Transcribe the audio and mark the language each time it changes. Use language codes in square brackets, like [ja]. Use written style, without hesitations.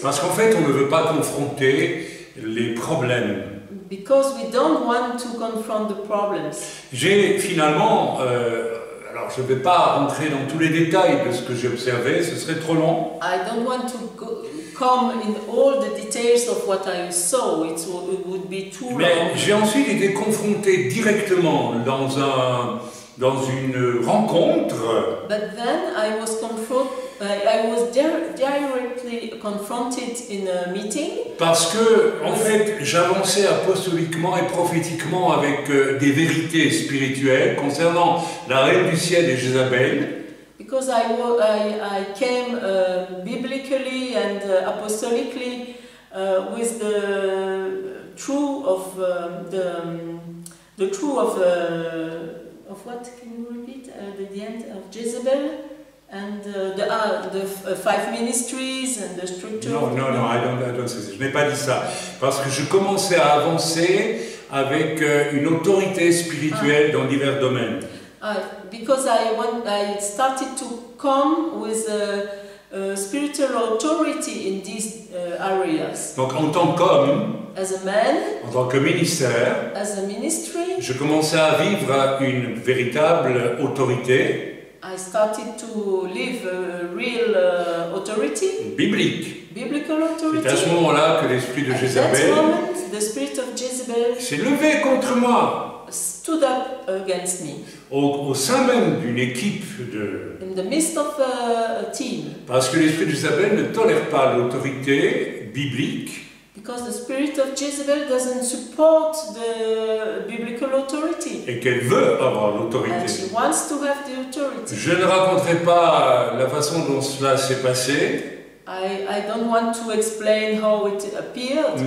[fr] Parce qu'en fait, on ne veut pas confronter les problèmes. [en] Because we don't want to confront the problems. [fr] J'ai finalement, alors je ne vais pas rentrer dans tous les détails de ce que j'ai observé, ce serait trop long. [en] I don't want to go, come in all the details of what I saw. It would be too long. [fr] Mais j'ai ensuite été confronté directement dans un dans une rencontre. [en] But then I was confronted. I was directly confronted in a meeting. [fr] Parce que, en fait, j'avançais apostoliquement et prophétiquement avec des vérités spirituelles concernant la reine du ciel et Jézabel. [en] Because I came biblically and apostolically with the truth of the truth of what can you repeat the end of Jezebel. And the five ministries and the structure. No, I don't. [fr] Je n'ai pas dit ça parce que je commençais à avancer avec une autorité spirituelle dans divers domaines. [en] Because I started to come with a spiritual authority in these areas. [fr] Donc en tant qu'homme. [en] As a man. [fr] En tant que ministère. [en] As a ministry. [fr] Je commençais à vivre une véritable autorité. [en] I started to live a real authority. [fr] Biblique. [en] Biblical authority. [fr] C'est à ce moment-là que l'esprit de Jézabel. [en] At that moment, the spirit of Jezebel. [fr] S'est levé contre moi. [en] Stood up against me. [fr] Au sein même d'une équipe de. [en] In the midst of a team. [fr] Parce que l'esprit de Jézabel ne tolère pas l'autorité biblique. [en] Because the spirit of Jezebel doesn't support the biblical authority. [fr] Et qu'elle veut avoir l'autorité. [en] And she wants to have the authority. [fr] Je ne raconterai pas la façon dont cela s'est passé. [en] I don't want to explain how it appeared.